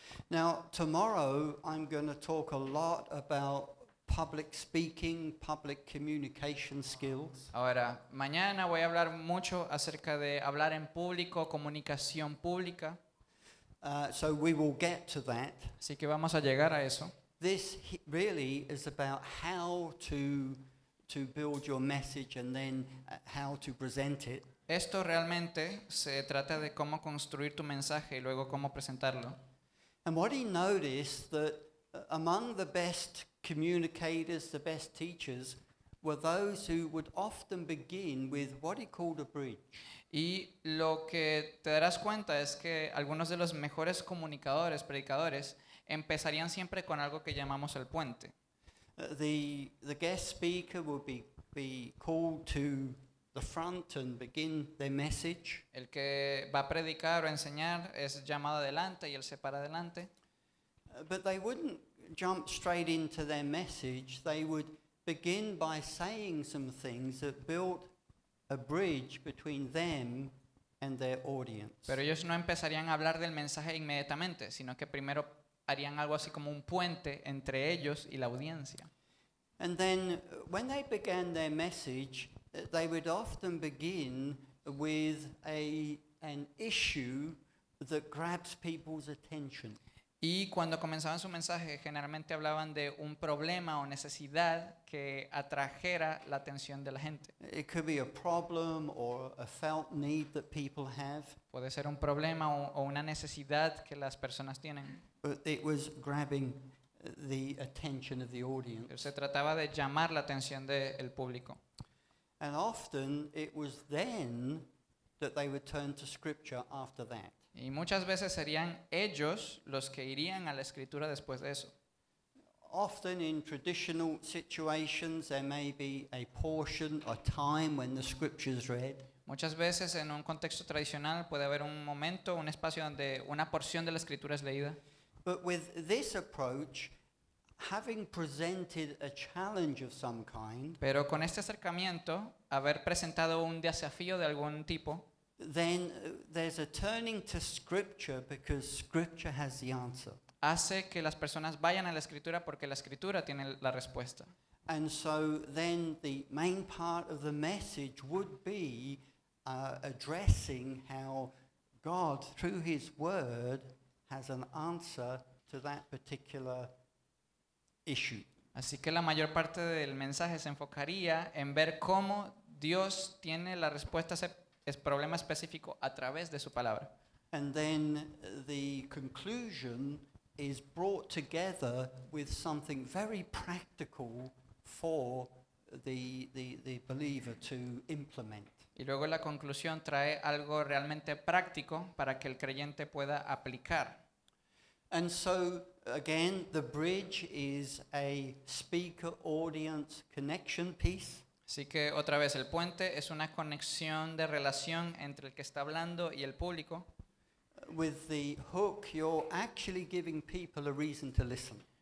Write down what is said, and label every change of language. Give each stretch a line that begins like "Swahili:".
English: Now, tomorrow I'm going to talk a lot about public speaking, public communication skills.
Spanish: Ahora, mañana voy a hablar mucho acerca de hablar en público, comunicación pública.
English: So we will get to that.
Spanish: Así que vamos a llegar a eso.
English: This really is about how to build your message and then how to present it.
Spanish: Esto realmente se trata de cómo construir tu mensaje y luego cómo presentarlo.
English: And what he noticed that among the best communicators, the best teachers, were those who would often begin with what he called a bridge.
Spanish: Y lo que te darás cuenta es que algunos de los mejores comunicadores, predicadores, empezarían siempre con algo que llamamos el puente.
English: The guest speaker would be called to the front and begin their message.
Spanish: El que va a predicar o enseñar es llamado adelante y él se para adelante.
English: But they wouldn't jump straight into their message. They would begin by saying some things that built a bridge between them and their audience.
Spanish: Pero ellos no empezarían a hablar del mensaje inmediatamente, sino que primero harían algo así como un puente entre ellos y la audiencia.
English: And then when they began their message, they would often begin with an issue that grabs people's attention.
Spanish: Y cuando comenzaban su mensaje, generalmente hablaban de un problema o necesidad que atrajera la atención de la gente.
English: It could be a problem or a felt need that people have.
Spanish: Puede ser un problema o una necesidad que las personas tienen.
English: But it was grabbing the attention of the audience.
Spanish: Pero se trataba de llamar la atención del público.
English: And often it was then that they would turn to scripture after that.
Spanish: Y muchas veces serían ellos los que irían a la escritura después de eso.
English: Often in traditional situations there may be a portion, a time when the scripture is read.
Spanish: Muchas veces en un contexto tradicional puede haber un momento, un espacio donde una porción de la escritura es leída.
English: But with this approach, having presented a challenge of some kind,
Spanish: pero con este acercamiento, haber presentado un desafío de algún tipo,
English: then there's a turning to scripture because scripture has the answer.
Spanish: Hace que las personas vayan a la escritura porque la escritura tiene la respuesta.
English: And so then the main part of the message would be addressing how God through his word has an answer to that particular issue.
Spanish: Así que la mayor parte del mensaje se enfocaría en ver cómo Dios tiene la respuesta a ese problema específico a través de su palabra.
English: And then the conclusion is brought together with something very practical for the believer to implement.
Spanish: Y luego la conclusión trae algo realmente práctico para que el creyente pueda aplicar.
English: And so again, the bridge is a speaker audience connection piece.
Spanish: Así que otra vez el puente es una conexión de relación entre el que está hablando y el público.
English: With the hook, you're actually giving people a reason to listen.